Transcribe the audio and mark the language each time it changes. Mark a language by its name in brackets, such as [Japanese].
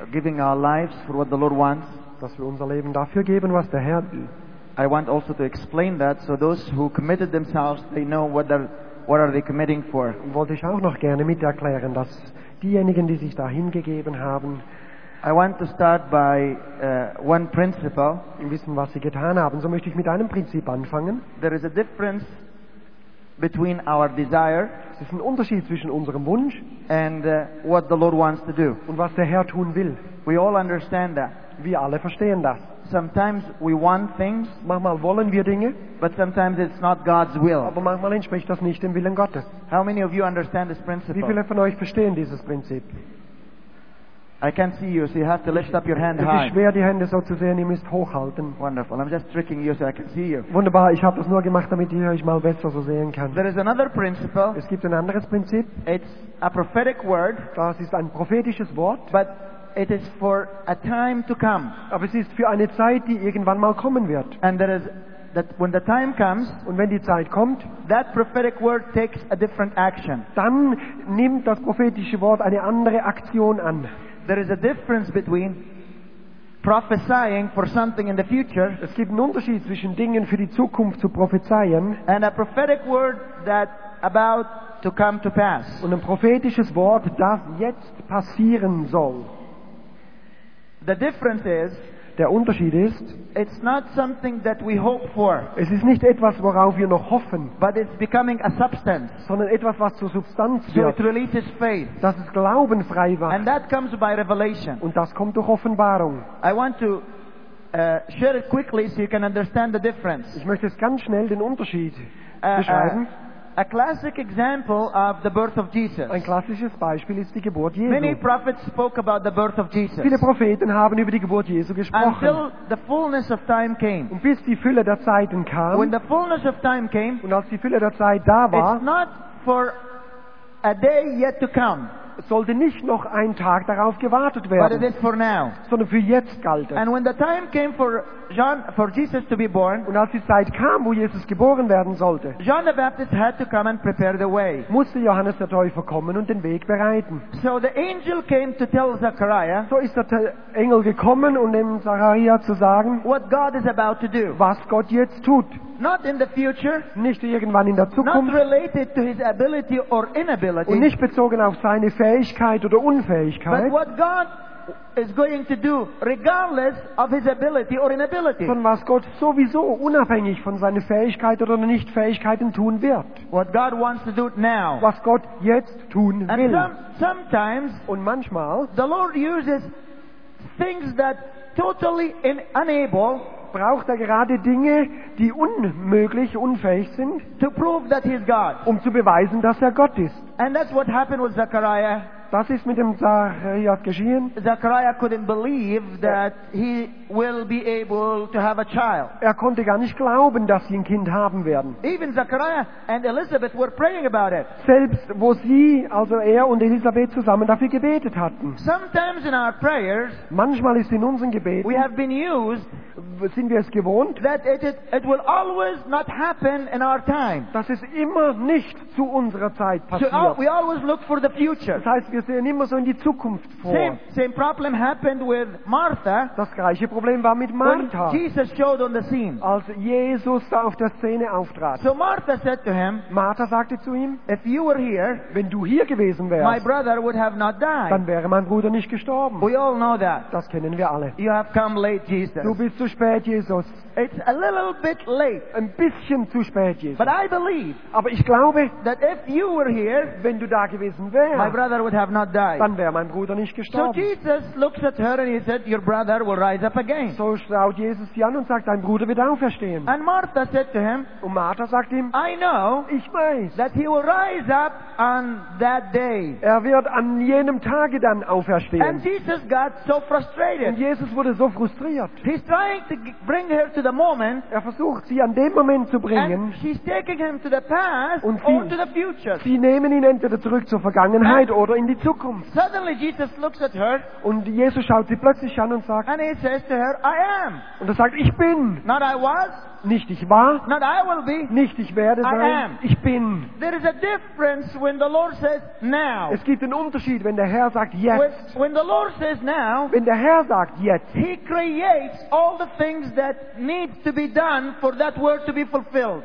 [English] giving our lives for what the Lord wants, [German] dass wir unser Leben dafür geben, was der Herr will. [English] I want also to explain that, so those who committed themselves, they know what are they committing for. [German] Wollte ich auch noch gerne mit erklären, dass diejenigen, die sich dahin gegeben haben, [English] I want to start by one principle. [German] Im Wissen, was sie getan haben, so möchte ich mit einem Prinzip anfangen. [English] There is a difference between our desire. [German] Es ist ein Unterschied zwischen unserem Wunsch [English] and what the Lord wants to do. [German] Und was der Herr tun will. [English] We all understand that. [German] Wir alle verstehen das. [English] Sometimes we want things. [German] Manchmal wollen wir Dinge. [English] But sometimes it's not God's will. [German] Aber manchmal entspricht das nicht dem Willen Gottes. [English] How many of you understand this principle? [German] Wie viele von euch verstehen dieses Prinzip? [English] I can't see you, so you have to lift up your hand high. [German] Es ist schwer, die Hände so zu sehen, ihr müsst hochhalten. [English] Wonderful, I'm just tricking you so I can see you. [German] Wunderbar, ich habe das nur gemacht, damit ich euch mal besser so sehen kann. [English] There is another principle. [German] Es gibt ein anderes Prinzip. [English] It's a prophetic word. [German] Das ist ein prophetisches Wort. [English] But it is for a time to come. [German] Aber es ist für eine Zeit, die irgendwann mal kommen wird. [English] And there is that when the time comes, [German] und wenn die Zeit kommt, [English] that prophetic word takes a different action. [German] Dann nimmt das prophetische Wort eine andere Aktion an. [English] There is a difference between prophesying for something in the future. [German] Es gibt einen Unterschied zwischen Dingen für die Zukunft zu prophezeien [English] and a prophetic word that about to come to pass. [German] Und ein prophetisches Wort, das jetzt passieren soll. [English] The difference is, [German] der Unterschied ist, [English] it's not something that we hope for. [German] Es ist nicht etwas, worauf wir noch hoffen, [English] but it's becoming a substance. [German] Sondern etwas, was zur Substanz [English] so [German] wird. [English] It releases faith. [German] Dass es Glauben frei macht. [English] And that comes by revelation. [German] Und das kommt durch Offenbarung. [English] I want to share it quickly so you can understand the difference. [German] Ich möchte es ganz schnell den Unterschied beschreiben. [English] A classic example of the birth of Jesus. [German] Ein klassisches Beispiel ist die Geburt Jesu. [English] Many prophets spoke about the birth of Jesus. [German] Viele Propheten haben über die Geburt Jesu gesprochen. [English] Until the fullness of time came. [German] Und bis die Fülle der Zeiten kam. [English] When the fullness of time came. [German] Und als die Fülle der Zeit da war. [English] It's not for a day yet to come. [German] Sollte nicht noch ein Tag darauf gewartet werden. [English] But it is for now. [German] Sondern für jetzt galt es. [English] And when the time came for John, for Jesus to be born, [German] und als die Zeit kam, wo Jesus geboren werden sollte, [English] John the Baptist had to come and prepare the way. [German] Musste Johannes der Täufer kommen und den Weg bereiten. [English] So the angel came to tell Zachariah, [German] so ist der Engel gekommen, um dem Zachariah zu sagen, [English] what God is about to do. [German] Was Gott jetzt tut. [English] Not in the future, [German] nicht irgendwann in der Zukunft, [English] not related to his ability or inability, [German] und nicht bezogen auf seine Fähigkeit oder Unfähigkeit, [English] but what God is going to do regardless of his ability or inability. [German] Von was Gott sowieso unabhängig von seiner Fähigkeit oder Nichtfähigkeiten tun wird. [English] What God wants to do now. [German] Was Gott jetzt tun will. [English] And sometimes, [German] und manchmal, [English] the Lord uses things that totally unable, [German] braucht er gerade Dinge, die unmöglich, unfähig sind, [English] to prove that he is God. [German] Um zu beweisen, dass er Gott ist. [English] And that's what happened with Zechariah. [German] Das ist mit dem Zachariah geschehen. [English] Zachariah couldn't believe that he will be able to have a child. [German] Er konnte gar nicht glauben, dass sie ein Kind haben werden. [English] Even Zachariah and Elizabeth were praying about it. [German] Selbst wo sie, also er und Elisabeth zusammen dafür gebetet hatten. [English] Sometimes in our prayers, [German] manchmal ist in unseren Gebeten, [English] we have been used, [German] sind wir es gewohnt, [English] that it will always not happen in our time. [German] Dass es immer nicht zu unserer Zeit passiert. [English] So we always look for the future. [German] Das heißt, wir sehen immer so in die Zukunft vor. [English] Same problem happened with Martha. [German] Das gleiche Problem war mit Martha. [English] When Jesus showed on the scene. [German] Als Jesus da auf der Szene auftrat. [English] So Martha said to him, [German] Martha sagte zu ihm, [English] if you were here, [German] wenn du hier gewesen wärst, [English] my brother would have not died. [German] Dann wäre mein Bruder nicht gestorben. [English] We all know that. [German] Das kennen wir alle. [English] You have come late, Jesus. [German] Du bist zu spät, Jesus. [English] It's a little bit late. [German] Ein bisschen zu spät, Jesus. [English] But I believe, [German] aber ich glaube, [English] that if you were here, [German] wenn du da gewesen wärst, [English] my brother would have not died. [German] Dann wäre mein Bruder nicht gestorben. [English] So Jesus looks at her and he said, your brother will rise up again. [German] So schaut Jesus sie an und sagt, dein Bruder wird auferstehen. [English] And Martha said to him, [German] und Martha sagt ihm, [English] I know, [German] ich weiß, [English] that he will rise up on that day. [German] Er wird an jenem Tage dann auferstehen. [English] And Jesus got so frustrated. [German] Und Jesus wurde so frustriert. [English] He's trying to bring her to the moment. [German] Er versucht sie an dem Moment zu bringen. [English] And she's taking him to the past [German] und sie, [English] or to the future. [German] Sie nehmen ihn entweder zurück zur Vergangenheit and oder in die Zukunft. [English] Suddenly Jesus looks at her. [German] Und Jesus schaut sie plötzlich an und sagt. [English] And he says to her, I am. [German] Und er sagt, ich bin. [English] Not I was. [German] Nicht ich war. [English] Not I will be. [German] Nicht ich werde sein. [English] I am. [German] Ich bin. [English] There is a difference when the Lord says now. [German] Es gibt einen Unterschied, wenn der Herr sagt jetzt. [English] When the Lord says now. [German] Wenn der Herr sagt jetzt. [English] He creates all the things that need to be done for that word to be fulfilled.